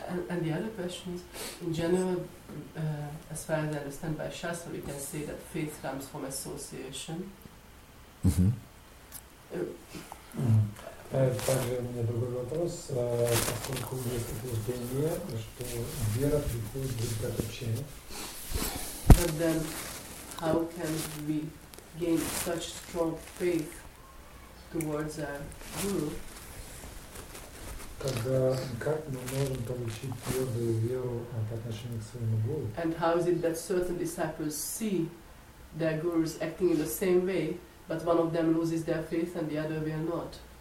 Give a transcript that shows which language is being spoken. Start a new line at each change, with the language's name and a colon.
English: And the other question is, in general, as far as I understand by Shastra, we can say that faith comes from association.
Russian: Также у меня другой вопрос, поскольку есть утверждение, что вера приходит от общения.
English: But then, how can we gain such strong faith towards our guru?
Russian: Тогда как мы можем получить твердую веру по отношению к своему гуру?
English: And how is it that certain disciples see their gurus acting in the same way, but one of them loses their faith and the other will not?